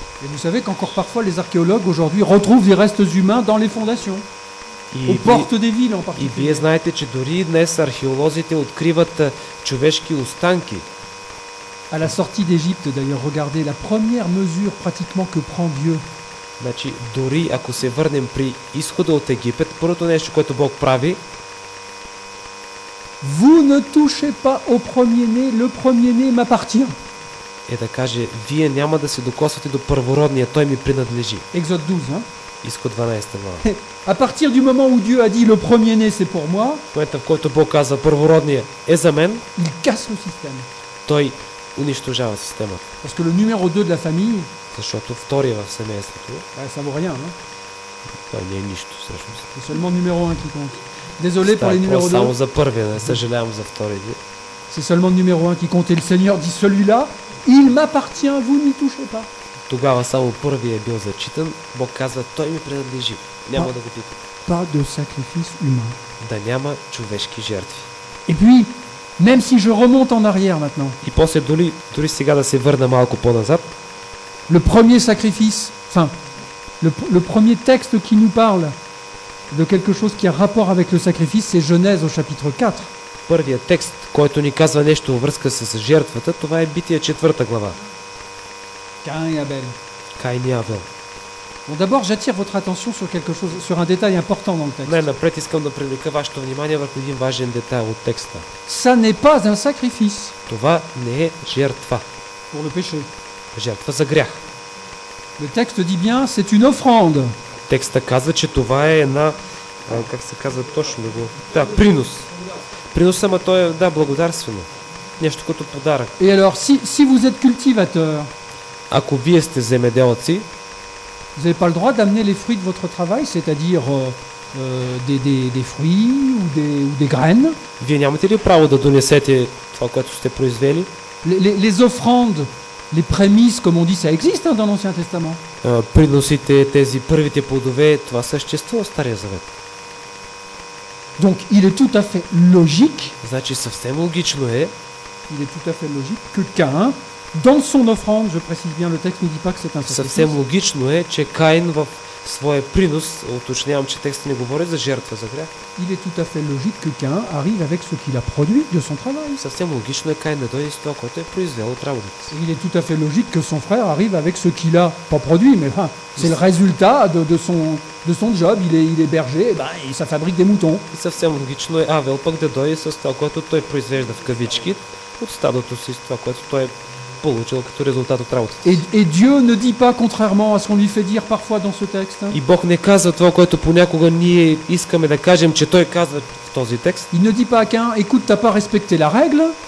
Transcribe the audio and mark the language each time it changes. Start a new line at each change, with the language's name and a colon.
French: Et vous savez qu'encore parfois les archéologues aujourd'hui retrouvent des restes humains dans les fondations. Aux portes des villes en particulier.
Bulgarian: И вие знаете, че дори днес археолозите откриват човешки останки.
French: À la sortie d'Égypte, d'ailleurs, regardez la première mesure pratiquement que prend Dieu.
Bulgarian: Значи, дори ако се върнем при изхода от Египет, първото нещо, което Бог прави,
French: vous ne touchez pas au premier-né, le premier-né m'appartient.
Bulgarian: Е да каже, вие няма да се докосвате до първородния, той ми принадлежи.
French: Exode 12, hein?
Bulgarian: Изход 12 глава.
French: À partir du moment où Dieu a dit le premier-né c'est pour moi,
Bulgarian: момента, в който Бог каза първородния е за мен,
French: il casse le système.
Bulgarian: Той унищожава системата.
French: Parce que le numéro 2 de la famille,
Bulgarian: защото втория в семейството,
French: ça vaut rien, hein?
Bulgarian: Той не е нищо, всъщност.
French: C'est seulement numéro 1 qui compte. Désolé pour les numéros 2.
Bulgarian: Само за първия, не съжалявам за втория.
French: C'est seulement numéro 1 qui compte. Le Seigneur dit celui-là, il m'appartient, vous n'y touchez pas.
Bulgarian: Тогава само първия е бил зачитан, Бог казва, той ми принадлежи. Няма да го пипа.
French: Pas de sacrifice humain.
Bulgarian: Да няма човешки жертви.
French: Et puis, même si je remonte en arrière maintenant.
Bulgarian: И после дори сега да се върна малко по-назад.
French: le premier sacrifice, enfin, le premier texte qui nous parle de quelque chose qui a rapport avec le sacrifice, c'est Genèse au chapitre 4.
Bulgarian: Първия текст, който ни казва нещо във връзка с жертвата, това е Бития 4 глава. Каин и Абел.
French: Bon, d'abord, j'attire votre attention sur quelque chose, sur un détail important dans le texte.
Bulgarian: Най-напред искам да привлека вашето внимание върху един важен детайл от текста.
French: Ça n'est pas un sacrifice.
Bulgarian: Това не е жертва.
French: Pour le péché.
Bulgarian: Жертва за грях.
French: Le texte dit bien, c'est une offrande.
Bulgarian: Текста казва, че това е една, как се казва точно го, да, принос. Приноса, ама той е, да, благодарствено. Нещо като подарък.
French: Et alors, si vous êtes cultivateur,
Bulgarian: ако вие сте земеделци,
French: vous n'avez pas le droit d'amener les fruits de votre travail, c'est-à-dire des fruits ou des graines.
Bulgarian: Вие нямате ли право да донесете това, което сте произвели?
French: Les offrandes, les prémices, comme on dit, ça existe dans l'Ancien Testament.
Bulgarian: Приносите тези първите плодове, това съществува в Стария Завет.
French: Donc il est tout à fait logique.
Bulgarian: Значи съвсем логично е.
French: Il est tout à fait logique que Caïn dans son offrande, je précise bien, le texte ne dit pas que c'est un sacrifice.
Bulgarian: Съвсем логично е, че Каин в своя принос, уточнявам, че текстът не говори за жертва за грях.
French: Il est tout à fait logique que Caïn arrive avec ce qu'il a produit de son travail.
Bulgarian: Съвсем логично е Каин да дойде с това, което е произвел от работата си.
French: Il est tout à fait logique que son frère arrive avec ce qu'il a pas produit, mais enfin, c'est le résultat de son job, il est berger, et ben il fabrique des moutons.
Bulgarian: Съвсем логично е Авел пък да дойде с това, което той произвежда в кавички от стадото си, с това, което той получил като резултат от работата.
French: Et Dieu ne dit pas contrairement à ce qu'on lui fait dire parfois dans ce texte.
Bulgarian: И Бог не казва това, което понякога ние искаме да кажем, че той казва в този текст.
French: Il ne dit pas à Caïn, écoute, t'as pas respecté la règle.